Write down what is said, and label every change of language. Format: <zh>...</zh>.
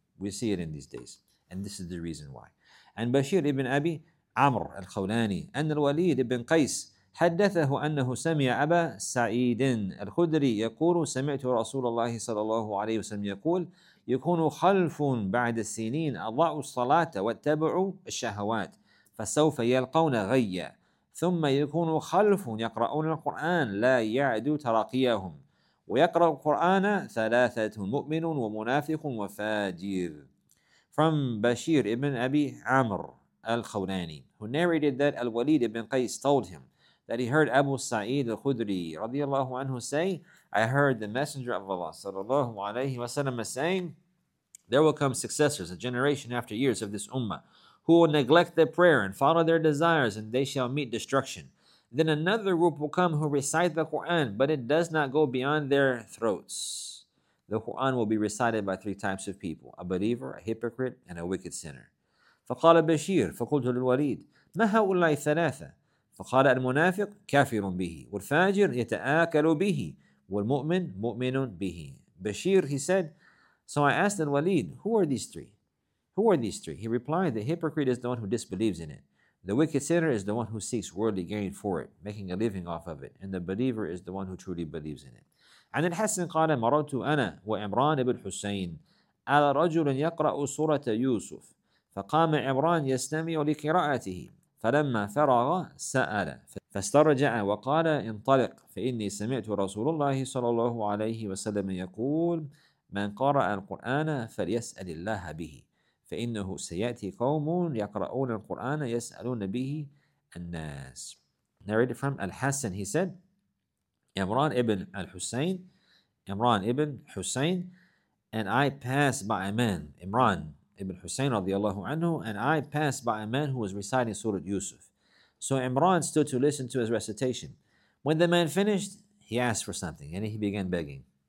<en>We see it in these days, and this is the reason why.</en> <ar>And Bashir ibn Abi Amr al-Khawlani, أن الوليد بن قيس حدثه أنه سمع أبا سعيد الخدري يقول سمعت رسول الله صلى الله عليه وسلم يقول يكون خلف بعد السنين أضاعوا الصلاة واتبعوا الشهوات فسوف يلقون غيا ثم يكون خلف يقرؤون القرآن لا يعد تراقيهم ويقرأ القرآن ثلاثة مؤمن ومنافق وفاجر.</ar> <en>From Bashir ibn Abi Amr al-Khawlani, who narrated that Al-Walid ibn Qais told him that he heard Abu Sa'id al-Khudri radiallahu anhu say, I heard the Messenger of Allah sallallahu alayhi wa sallam saying, there will come successors, a generation after years of this ummah, who will neglect their prayer and follow their desires, and they shall meet destruction. Then another group will come who recite the Quran, but it does not go beyond their throats. The Quran will be recited by three types of people: a believer, a hypocrite, and a wicked sinner.</en> <ar>فقال بشير فقلت للوليد ما هؤلاء الثلاثة فقال المنافق كافر به والفاجر يتآكل به والمؤمن مؤمن به.</ar> <en>Bashir, he said, so I asked Al-Walid, who are these three? Who are these three? He replied, the hypocrite is the one who disbelieves in it. The wicked sinner is the one who seeks worldly gain for it, making a living off of it. And the believer is the one who truly believes in it.</en> <ar>عن الحسن قال مررت أنا وعمران بن حسين على رجل يقرأ سورة يوسف فقام عمران يستمع لقراءته فلما فرغ سأل فاسترجع وقال انطلق فإني سمعت رسول الله صلى الله عليه وسلم يقول من قرأ القرآن فليسأل الله به فإنه سيأتي قوم يقرؤون القرآن يسألون به الناس.</ar> <en>Narrated from Al-Hassan, he said, Imran ibn al-Hussein, Imran ibn Hussein, and I passed by a man, Imran ibn Hussein radiallahu anhu, and I passed by a man who was reciting Surah Yusuf. So Imran stood to listen to his recitation. When the man finished, he asked for something, and he began begging.</en>